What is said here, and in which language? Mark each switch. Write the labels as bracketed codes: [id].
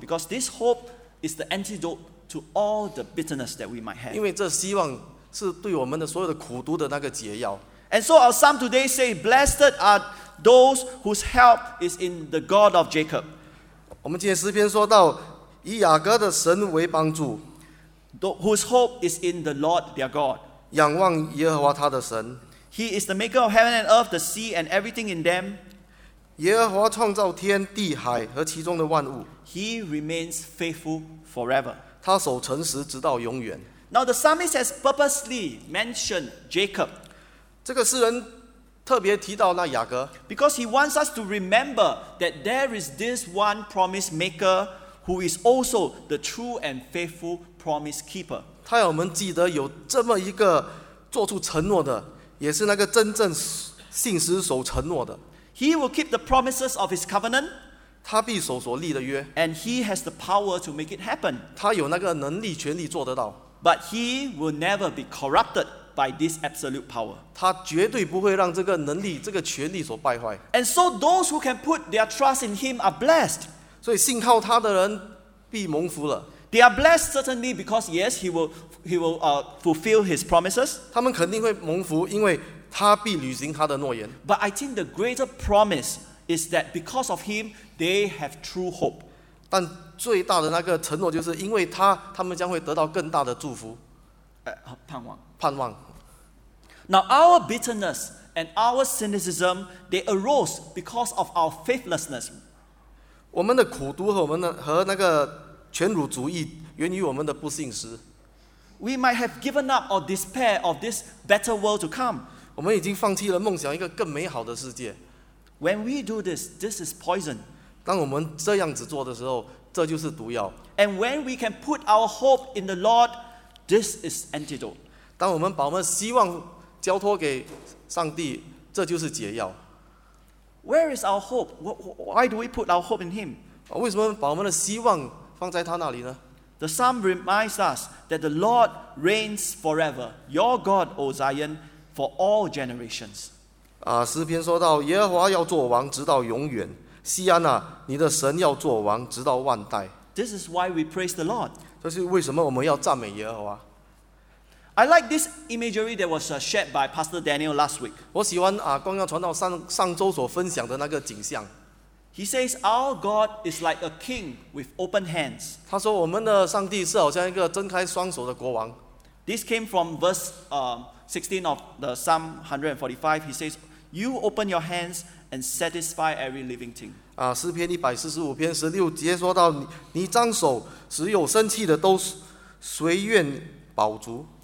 [en] Because this hope is the antidote to all the bitterness that we might have. [zh] 因为这希望是对我们的所有的苦毒的那个解药。 [en] And so our psalm today says, Blessed are those whose help is in the God of Jacob. [zh] 我们今天诗篇说到以雅各的神为帮助。 [en] Whose hope is in the Lord their God. [zh] 仰望耶和华他的神。 [en] He is the maker of heaven and earth, the sea and everything in them. [zh] 耶和华创造天地海和其中的万物。 [en] He remains faithful forever. [zh] 他守诚实直到永远。 [en] Now the psalmist has purposely mentioned Jacob. [zh] 这个诗人特别提到那雅各。 [en] Because he wants us to remember that there is this one promise maker who is also the true and faithful promise keeper. [zh] 他要我们记得有这么一个做出承诺的，也是那个真正信实守承诺的。 [en] He will keep the promises of his covenant. [zh] 他必守所立的约。 [en] And he has the power to make it happen. [zh] 他有那个能力、权力做得到。 [en] But he will never be corrupted by this absolute power. [zh] 他绝对不会让这个能力、这个权力所败坏。 [en] And so those who can put their trust in him are blessed. [zh] 所以信靠他的人必蒙福了。 [en] They are blessed certainly because yes, he will fulfill his promises. [zh] 他们肯定会蒙福，因为。他必履行他的诺言。 [en] But I think the greater promise is that because of him, they have true hope. [zh] 但最大的那个承诺就是因为他，他们将会得到更大的祝福。盼望。盼望。 [en] Now our bitterness and our cynicism, they arose because of our faithlessness. [zh] 我们的苦毒和我们的和那个权辱主义源于我们的不信实。 [en] We might have given up or despair of this better world to come. [zh] 我们已经放弃了梦想一个更美好的世界。 [en] When we do this, this is poison. [zh] 当我们这样子做的时候，这就是毒药。 [en] And when we can put our hope in the Lord, this is antidote. [zh] 当我们把我们希望交托给上帝，这就是解药。 [en] Where is our hope? Why do we put our hope in Him? [zh] 为什么把我们的希望放在他那里呢？ [en] The psalm reminds us that the Lord reigns forever. Your God, O Zion. For all generations. [zh] 诗篇说到耶和华要做王直到永远。西安啊，你的神要做王直到万代。 [en] This is why we praise the Lord. [zh] 这是为什么我们要赞美耶和华。 [en] I like this imagery that was shared by Pastor Daniel last week. [zh] 我喜欢刚刚传道上周所分享的那个景象。 [en] He says our God is like a king with open hands. [zh] 他说我们的上帝是好像一个睁开双手的国王。 [en] This came from verse 16 of the Psalm 145. He says, "You open your hands and satisfy every living thing." [zh] 诗篇145篇16节说到你张手使有生气的都随愿饱足。